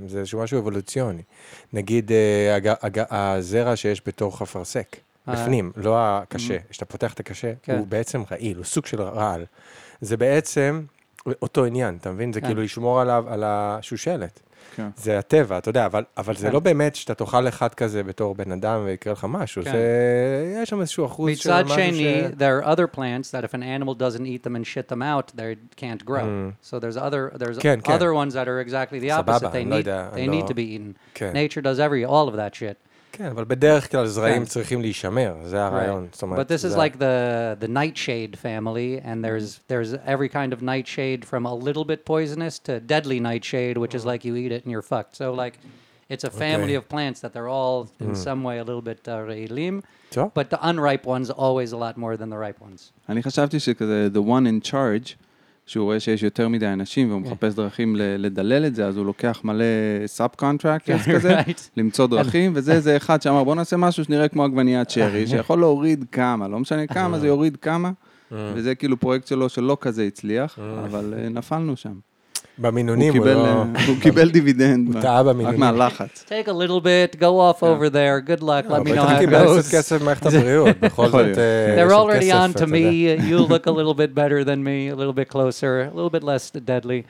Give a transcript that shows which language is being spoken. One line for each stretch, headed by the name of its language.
Hebrew: זה איזשהו משהו אבולוציוני. נגיד, הזרע שיש בתוך הפרסק, בפנים, לא הקשה, שאתה פותח את הקשה, הוא בעצם רעיל, הוא סוג של רעל. זה בעצם אותו עניין, אתה מבין? זה כאילו לשמור עליו, על השושלת. זה הטבע, אתה יודע, אבל זה לא באמת שאתה תאכל אחד כזה בתור בן אדם ויקרה לך משהו, זה יש שם איזשהו אחוז של משהו ש...
English: מצד שני, there are other plants that if an animal doesn't eat them and shit them out, they can't grow. So there's other ones that are exactly the opposite. They need to be eaten. Nature does every, all of that shit.
Hebrew: כן, אבל בדרך כלל זרעים צריכים להישמר, זה הרעיון.
English: But this is like the nightshade family, and there's every kind of nightshade from a little bit poisonous to deadly nightshade, which is like you eat it and you're fucked. So like, it's a family of plants that they're all in some way a little bit רעילים, but the unripe ones always a lot more than the ripe ones.
Hebrew: אני חשבתי שכזה, the one in charge, שהוא רואה שיש יותר מדי אנשים והוא מחפש דרכים לדלל את זה, אז הוא לוקח מלא סאב-קונטרקטורס כזה, למצוא דרכים, וזה איזה אחד שאמר, בוא נעשה משהו שנראה כמו עגבניית שרי, שיכול להוריד כמה, לא משנה כמה, זה יוריד כמה, וזה כאילו פרויקט שלו שלא כזה הצליח, אבל נפלנו שם. במינונים, הוא קיבל דיווידנד. הוא טעה במינונים. רק מהלחץ.
English: Take a little bit, go off over there, good luck, let me know how it goes.
Hebrew: אבל אתה קיבל קצת כסף מערכת הבריאות, בכל זאת.
English: They're already on to me, you look a little bit better than me, a little bit closer, a little bit less deadly.